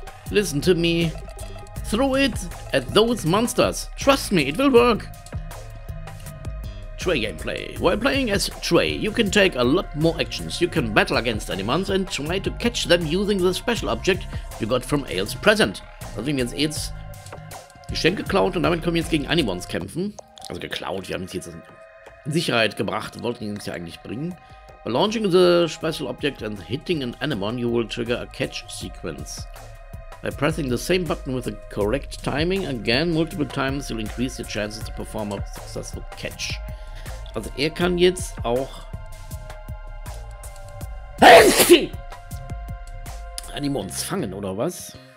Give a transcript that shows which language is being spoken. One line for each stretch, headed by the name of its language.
English: Listen to me. Throw it at those monsters. Trust me, it will work. Trey gameplay. While playing as Trey, you can take a lot more actions. You can battle against Animons and try to catch them using the special object you got from Ales present.
German: Also wir haben jetzt Ales Geschenk geklaut und damit können wir jetzt gegen Animons kämpfen. Also geklaut, wir haben es jetzt in Sicherheit gebracht, wollten ihn uns ja eigentlich bringen.
English: By launching the special object and hitting an Animon, you will trigger a catch sequence. By pressing the same button with the correct timing again multiple times, you'll increase your chances to perform a successful catch.
German: Also er kann jetzt auch Animons fangen, oder was?